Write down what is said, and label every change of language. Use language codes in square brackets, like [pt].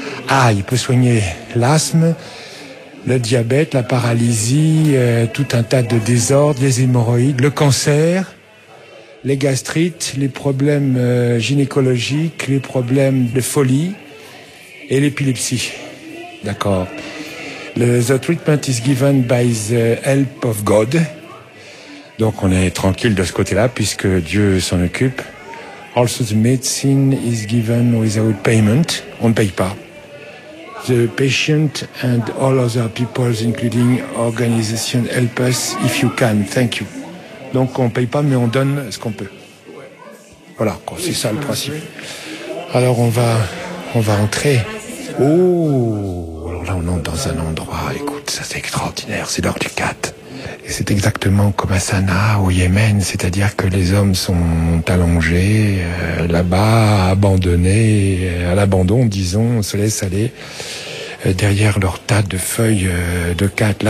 [fr] Ah, il peut soigner l'asthme, le diabète, la paralysie, tout un tas de désordres, les hémorroïdes, le cancer, les gastrites, les problèmes gynécologiques, les problèmes de folie et l'épilepsie. D'accord. [en] The treatment is given by the help of God. [fr] Donc on est tranquille de ce côté-là, puisque Dieu s'en occupe. [en] Also, the medicine is given without payment. [fr] On ne paye pas. [en] The patient and all other people, including organization, help us if you can. Thank you. [fr] Donc on ne paye pas, mais on donne ce qu'on peut. Voilà, c'est ça le principe. Alors on va entrer. Oh, alors là on entre dans un endroit, écoute, ça c'est extraordinaire, c'est l'heure du 4. Et c'est exactement comme à Sanaa au Yémen, c'est-à-dire que les hommes sont allongés là-bas, abandonnés, à l'abandon, disons, on se laisse aller derrière leur tas de feuilles de quatre.